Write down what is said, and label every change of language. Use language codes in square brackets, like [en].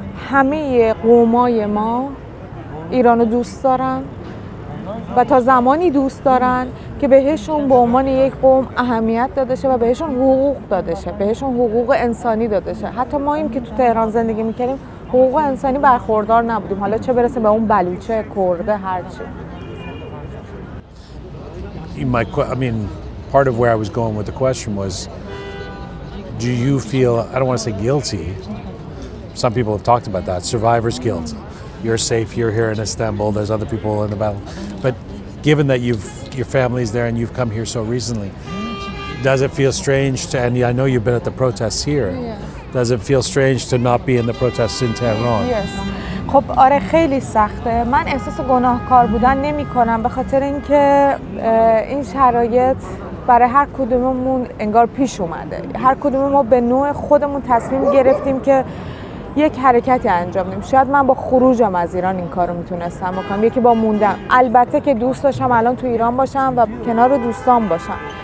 [fa] همه قومای ما ایرانو دوست دارن و تا زمانی دوست دارن که بهشون به عنوان یک قوم اهمیت داده شه و بهشون حقوق داده شه بهشون حقوق انسانی داده شه حتی ما این که تو تهران زندگی میکردیم حقوق انسانی برخوردار نبودیم حالا چه برسه به اون بلوچه کرده هرچی [en] I mean part of where I was going with the question was do you feel I don't want to say guilty some people have talked about that survivor's guilt You're safe, you're here in Istanbul, there's other people in the battle. But given that your family's there and you've come here so recently, does it feel strange to, and I know you've been at the protests here, yeah. does it feel strange to not be in the protests in Tehran? Yes. [fa] خب آره خیلی سخته. من احساس گناهکار بودن نمی کنم به خاطر اینکه این شرایط برای هر کدوممون انگار پیش اومده. هر کدوم ما به نوع خودمون تصمیم گرفتیم که یک حرکتی انجام دیم شاید من با خروجم از ایران این کارو میتونستم بکنم یکی با موندم البته که دوست داشتم الان تو ایران باشم و کنار دوستان باشم